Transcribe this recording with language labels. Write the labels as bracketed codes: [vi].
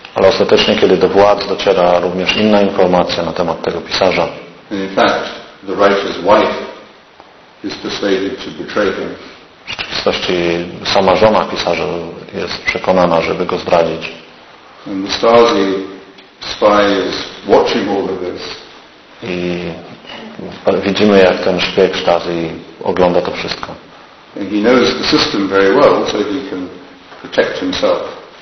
[pl] Ale ostatecznie, kiedy do władz dociera również inna informacja na temat tego pisarza. [en] And in fact, the writer's wife is persuaded to betray him. [pl] W rzeczywistości sama żona pisarza jest przekonana, żeby go zdradzić. [en] And the Stasi spy is watching all of this. [pl] I widzimy, jak ten szpieg Stasi ogląda to wszystko. [en] And he knows the system very well, so he can protect himself.